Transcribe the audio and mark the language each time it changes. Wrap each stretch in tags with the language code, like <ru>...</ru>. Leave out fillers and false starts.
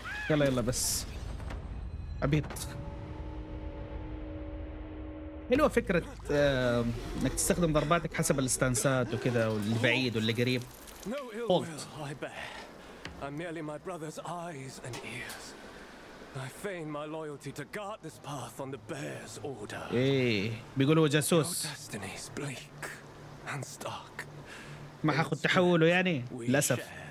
<ar>يلا يلا بس. عبيط. حلوة فكرة انك تستخدم ضرباتك حسب الاستانسات وكذا، والبعيد واللي قريب. قلت</ar> <en>I'm merely my brother's eyes and ears. I feign my loyalty to guard this path on the bear's order.</en> <ar>بيقولوا جاسوس.</ar> <en>Destiny's bleak and stark.</en> <ar>ما حاخذ تحوله يعني للاسف.</ar>